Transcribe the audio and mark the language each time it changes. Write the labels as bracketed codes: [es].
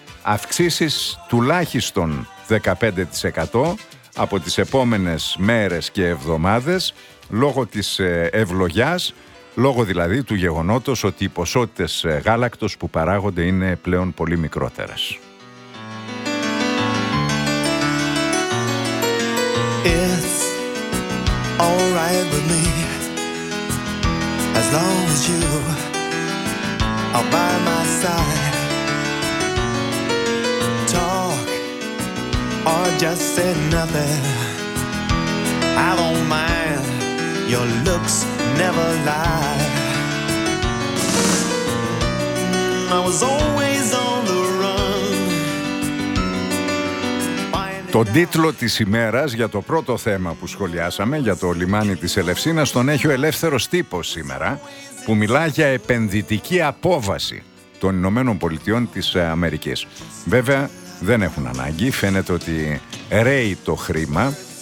[el] Αυξήσεις τουλάχιστον 15% από τις επόμενες μέρες και εβδομάδες λόγω της ευλογιάς, λόγω δηλαδή του γεγονότος ότι οι ποσότητες γάλακτος που παράγονται είναι πλέον πολύ μικρότερες. [en] It's all right with me, as long as you are by my side. Or just say nothing, I don't mind. Your looks never lie. I was always on the run. [el] Το τίτλο της ημέρας για το πρώτο θέμα που σχολιάσαμε, για το λιμάνι της Ελευσίνας, τον έχει ο ελεύθερος τύπος σήμερα. που μιλά για επενδυτική απόβαση των Ηνωμένων Πολιτειών της Αμερικής. Βέβαια, δεν έχουν ανάγκη. Φαίνεται ότι ρέει το χρήμα.